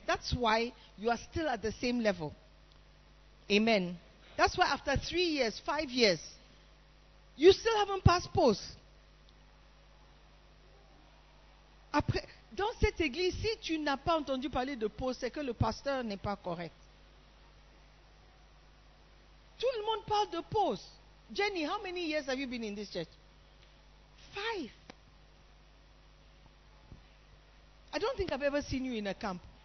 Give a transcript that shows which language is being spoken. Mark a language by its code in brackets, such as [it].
[en] That's why you are still at the same level. Amen. That's why after 3 years, 5 years, you still haven't passed post. [fr] Après, dans cette église, si tu n'as pas entendu parler de post, c'est que le pasteur n'est pas correct. Tout le monde parle de post. [en] Jenny, how many years have you been in this church? 5. I don't think I've ever seen you in a camp.